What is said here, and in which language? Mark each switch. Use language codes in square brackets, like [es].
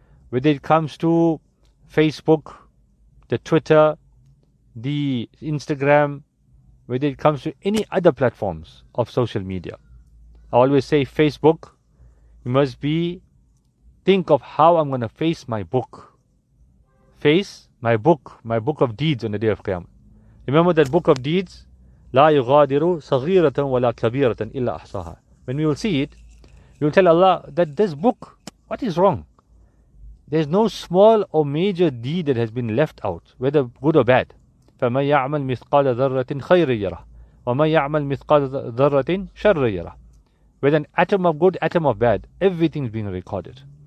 [en] Whether it comes to Facebook, the Twitter, the Instagram, whether it comes to any other platforms of social media. I always say Facebook, you must be, think of how I'm going to face my book. Face my book of deeds on the day of Qiyamah. Remember that book of deeds? [ar] لا يغادروا صغيرة ولا كبيرة إلا أحصاها. [en] When we will see it, you'll tell Allah that this book, what is wrong? There's no small or major deed that has been left out, whether good or bad. [ar] فَمَنْ يَعْمَلْ مِثْقَالَ ذَرَّةٍ خَيْرٍ يَرَهُ وَمَنْ يَعْمَلْ مِثْقَالَ ذَرَّةٍ شَرٍّ يَرَهُ. [en] With an atom of good, atom of bad, everything's being recorded.